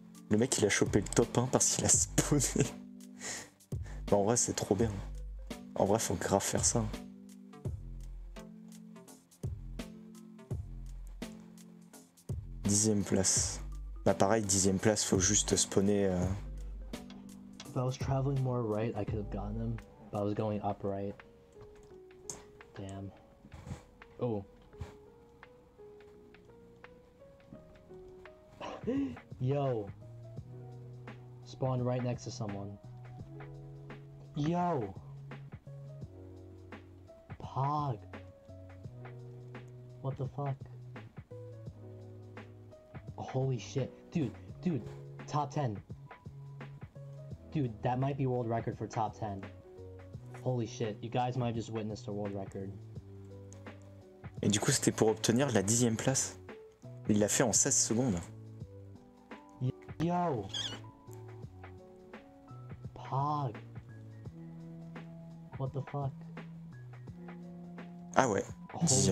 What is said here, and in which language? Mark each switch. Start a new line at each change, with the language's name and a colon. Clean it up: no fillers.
French: Le mec il a chopé le top 1 parce qu'il a spawné. Bah en vrai c'est trop bien. En vrai faut grave faire ça. Dixième place. Bah pareil, dixième place, faut juste spawner.
English: If I was traveling more right, I could have gotten him. But I was going up right. Damn. Oh. Yo. Spawn right next to someone. Yo. Pog. What the fuck? Holy shit. Dude, top 10. Dude, that might be world record for top 10. Holy shit, you guys might have just witnessed a world record.
French: Et du coup, c'était pour obtenir la 10e place. Il l'a fait en 16 secondes. Yo! Pog!
English: What the fuck?
French: Ah ouais, 10e.